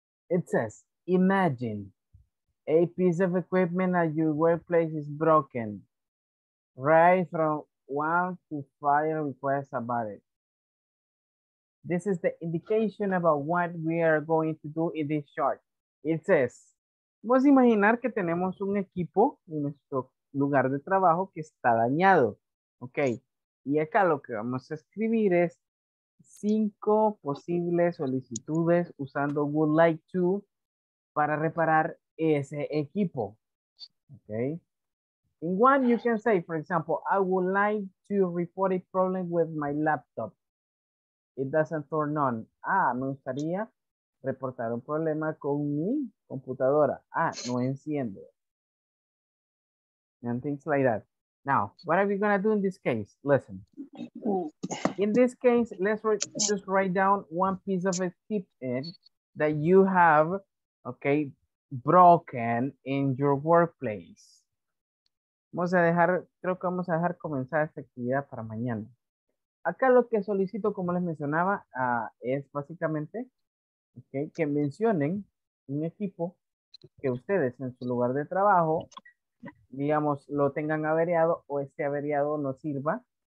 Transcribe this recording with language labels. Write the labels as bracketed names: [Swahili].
[English] It says, imagine a piece of equipment at your workplace is broken. Write from 1 to 5 requests about it. This is the indication about what we are going to do in this chart. It says, [Spanish] vamos a imaginar que tenemos un equipo en nuestro lugar de trabajo que está dañado, ¿ok? Y acá lo que vamos a escribir es 5 posibles solicitudes usando would like to para reparar ese equipo, ¿ok? [English] In one, you can say, for example, I would like to report a problem with my laptop. It doesn't turn on. [Spanish] Ah, me gustaría reportar un problema con mi computadora. Ah, no enciende. [English] And things like that. Now, what are we going to do in this case? Listen. In this case, let's just write down one piece of equipment that you have, okay, broken in your workplace. [Spanish] Vamos a dejar, creo que vamos a dejar comenzar esta actividad para mañana. Acá lo que solicito, como les mencionaba, es básicamente... Okay, que mencionen un equipo que ustedes en su lugar de trabajo, digamos, lo tengan averiado o este averiado no sirva.